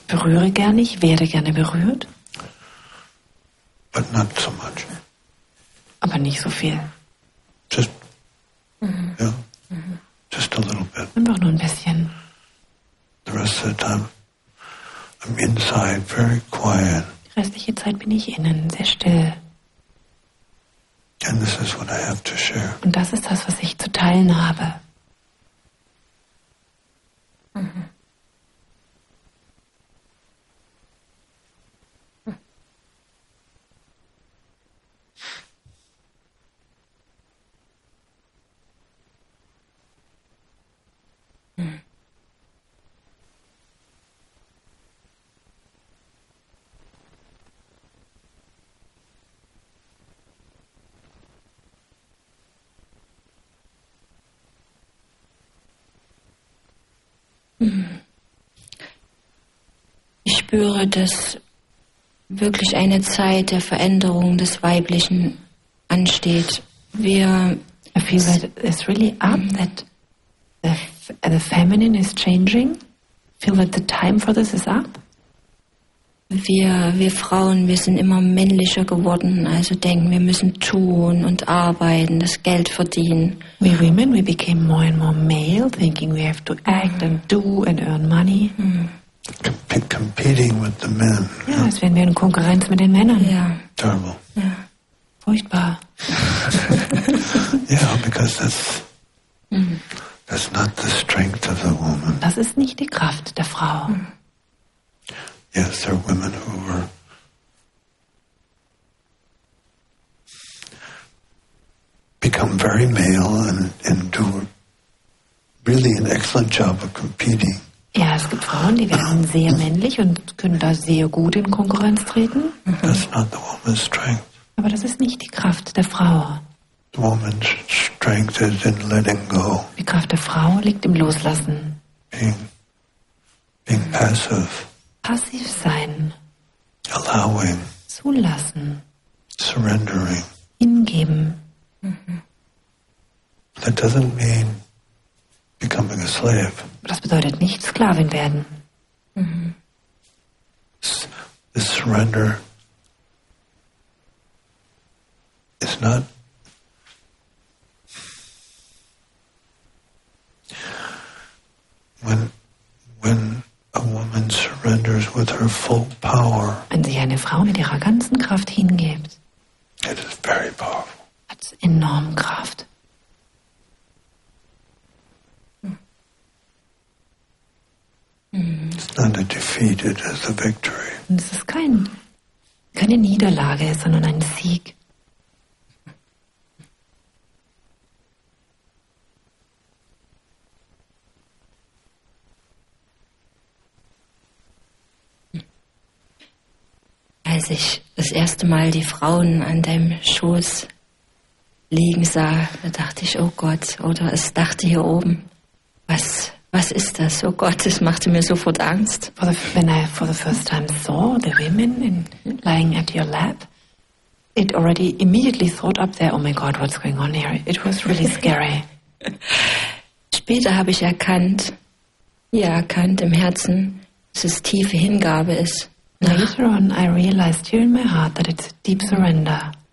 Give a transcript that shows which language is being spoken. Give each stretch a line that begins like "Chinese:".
German: Berühre gerne, ich werde gerne berührt.
English: But not so much.
German: Aber nicht so viel.
English: Just, just a little bit.
German: Einfach nur ein bisschen.
English: The rest of the time, I'm inside, very quiet.
German: Die restliche Zeit bin ich innen, sehr still.
English: And this is what I have to share.
German: Und das ist das, was ich zu teilen habe. Ich spüre, dass wirklich eine Zeit der Veränderung des Weiblichen ansteht. Wir
English: I feel that it's really up, that the feminine is changing. I feel that the time for this is up.
German: Wir Frauen, wir sind immer männlicher geworden, also denken, wir müssen tun und arbeiten, das Geld verdienen.
English: We women, we became more and more male, thinking we have to act and do and earn money. Competing with the men.
German: Ja, als wären wir in Konkurrenz mit den Männern. Ja.
English: Terrible.
German: Ja. Furchtbar.
English: Yeah, because that's not the strength of the woman.
German: Das ist nicht die Kraft der Frau.
English: Yes, there are women who were become very male and do really an excellent job of competing.
German: Ja, es gibt Frauen, die werden sehr männlich und können da sehr gut in Konkurrenz treten.
English: That's not the woman's strength.
German: Aber das ist nicht die Kraft der Frau.
English: The woman's strength is in letting go.
German: Die Kraft der Frau liegt im Loslassen.
English: Being passive.
German: Passiv sein.
English: Allowing.
German: Zulassen.
English: Surrendering.
German: Hingeben.
English: That doesn't mean becoming a slave.
German: Das bedeutet nicht Sklavin werden.
English: The surrender is not when a woman surrenders with her full power.
German: Wenn sich eine Frau mit ihrer ganzen Kraft hingibt,
English: it is very powerful.
German: Hat enorm Kraft.
English: It's not a defeat, it is a victory.
German: Es ist keine Niederlage, sondern ein Sieg. Als ich das erste Mal die Frauen an deinem Schoß liegen sah, da dachte ich, oh Gott, oder es dachte hier oben, was ist das? Oh Gott, es machte mir sofort Angst.
English: When I for the first time saw the women lying at your lap, it already immediately thought up there, oh my God, what's going on here? It was really scary.
German: Später habe ich erkannt im Herzen, dass es tiefe Hingabe ist.
English: Later on, I realized here in my heart that it's a deep surrender.